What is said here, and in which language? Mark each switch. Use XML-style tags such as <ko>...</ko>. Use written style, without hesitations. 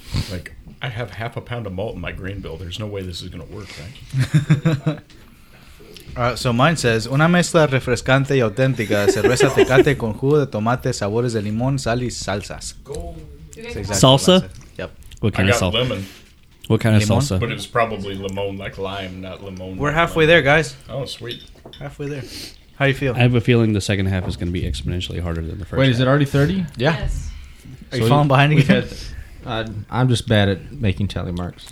<en>Like, I have half a pound of malt in my grain bill. There's no way this is going to work, right?</en> <es>So mine says, una mezcla refrescante y auténtica cerveza Tecate con jugo de tomate, sabores de limón, sal y salsas.</es> <en>Salsa? Salsa? Yep. What kind I of salsa? Lemon. What kind limon? Of salsa? But it's probably limon, like lime, not limon. We're halfway there, guys. Oh, sweet. Halfway there. How do you feel? I have a feeling the second half is going to be exponentially harder than the first. Wait, half. Is it already 30? Yeah. Yes. Are you falling behind again? I'm just bad at making tally marks.</en>